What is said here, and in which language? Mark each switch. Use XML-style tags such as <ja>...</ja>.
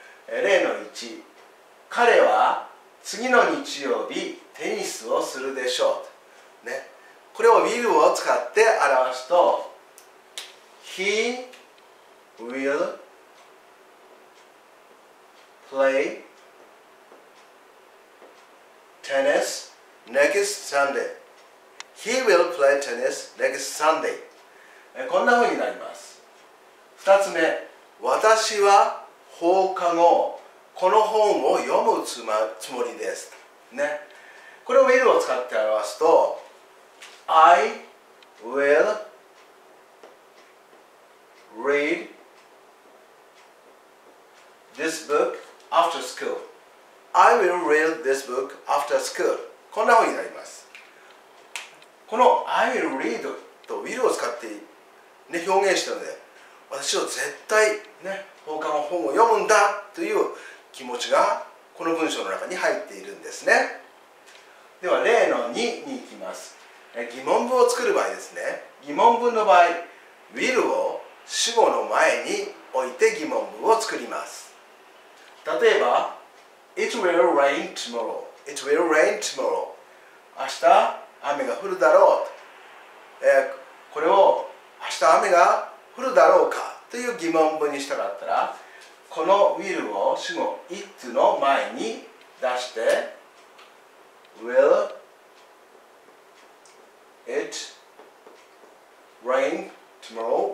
<ja>例の1、彼は次の日曜日テニスをするでしょう、ね、これを Will を使って表すと</ja> <en>He will play tennis next Sunday. He will play tennis next Sunday.</en> <ja>こんな風になります。 2つ目、私は放課後この本を読むつもりです、ね、これを Will を使って表すと</ja> <en>I will read this book after school. I will read this book after school.</en> <ja>こんな風になります。この I will read と Will を使って、ね、表現したので私は絶対ね放課後本を読むんだという気持ちがこの文章の中に入っているんですね。では例の2に行きます。疑問文を作る場合ですね、疑問文の場合 Will を主語の前に置いて疑問文を作ります。</ja> <en>例えば It will rain tomorrow. It will rain tomorrow.</en> <ja>明日雨が降るだろうと、これを明日雨が降るだろうかという疑問文にしたかったら、この will を主語 it の前に出して</ja> <en>Will it rain tomorrow?</en>